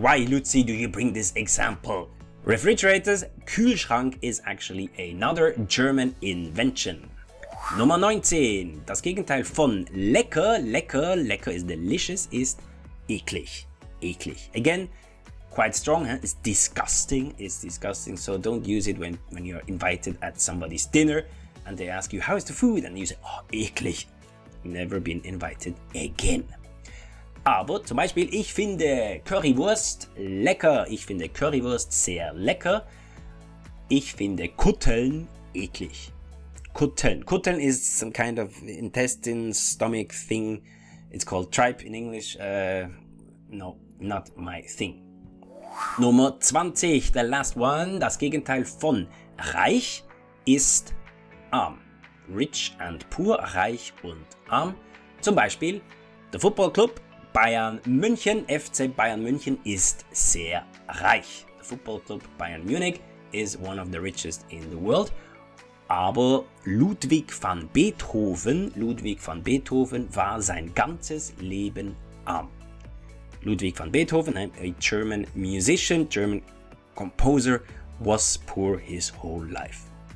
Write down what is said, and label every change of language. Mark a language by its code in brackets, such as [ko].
[en] Why, Luzi, do you bring this example? Refrigerators, Kühlschrank is actually another German invention. [de] Nummer 19. Das Gegenteil von lecker, lecker, lecker [en] is delicious, [de] ist eklig. [en] Eklig. Again, quite strong, huh? It's disgusting. So don't use it when you're invited at somebody's dinner and they ask you, how is the food? And you say, oh, eklig. Never been invited again. [de] Aber zum Beispiel, ich finde Currywurst lecker. Ich finde Currywurst sehr lecker. Ich finde Kutteln eklig. Kutteln. [en] Kutteln is some kind of intestine, stomach thing. It's called tripe in English. No, not my thing. [de] Nummer 20, [en] the last one, [de] das Gegenteil von reich ist arm. [en] Rich and poor, [de] reich und arm. Zum Beispiel, der Football Club Bayern München, FC Bayern München ist sehr reich. [en] Der Football Club Bayern Munich is one of the richest in the world. [de] Aber Ludwig van Beethoven war sein ganzes Leben arm. [en] Ludwig van Beethoven, a German musician, German composer, was poor his whole life.